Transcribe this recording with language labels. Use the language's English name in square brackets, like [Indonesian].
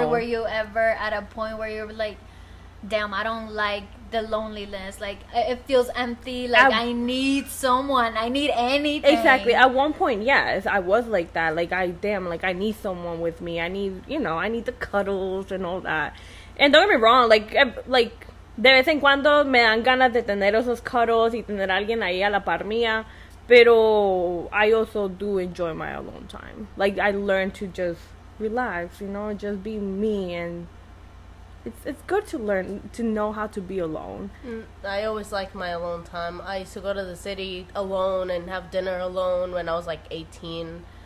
[English] Or were you ever at a point where you were like, damn, I don't like the loneliness, like, it feels empty, like, I need someone, I need anything. Exactly. At one point, yes, I was like that, like, I need someone with me, I need, you know, I need the cuddles and all that. And don't get me wrong, like [Spanish] de vez en cuando me dan ganas de tener esos cuddles y tener alguien ahí a la par mía. [English] Pero I also do enjoy my alone time. Like, I learned to just relax, you know, just be me and It's good to learn to know how to be alone. I always like my alone time. I used to go to the city alone and have dinner alone when I was like 18.